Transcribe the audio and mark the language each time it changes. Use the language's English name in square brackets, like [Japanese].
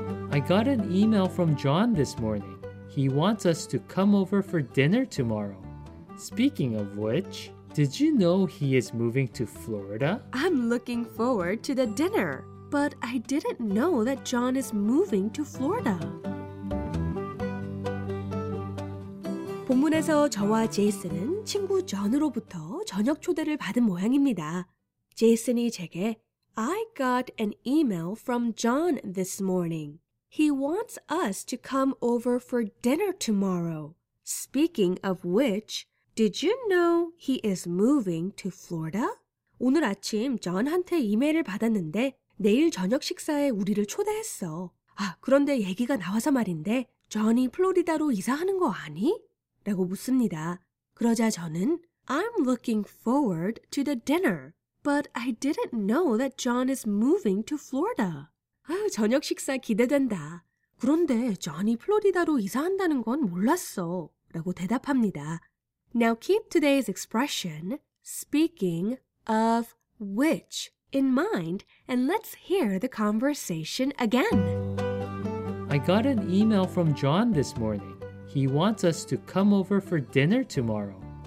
[English] I got an email from John this morning. He wants us to come over for dinner tomorrow. Speaking of which, did you know he is moving to Florida? I'm looking forward to the dinner, but I didn't know that John is moving to Florida. [Korean] 본문에서 저와 제이슨은 친구 존으로부터 저녁 초대를 받은 모양입니다. 제이슨이 제게 [English] I got an email from John this morning. He wants us to come over for dinner tomorrow. Speaking of which, did you know he is moving to Florida? [Korean] 오늘 아침 존한테 이메일을 받았는데 내일 저녁 식사에 우리를 초대했어. 아, 그런데 얘기가 나와서 말인데 존이 플로리다로 이사하는 거 아니? 라고 묻습니다. 그러자 저는 [English] I'm looking forward to the dinner, but I didn't know that John is moving to Florida. [Korean] 아, 저녁 식사 기대된다. 그런데 존이 플로리다로 이사한다는 건 몰랐어. 라고 대답합니다. [English] Now keep today's expression, speaking of which, in mind, and let's hear the conversation again. I got an email from John this morning. He wants us to come over for dinner tomorrow.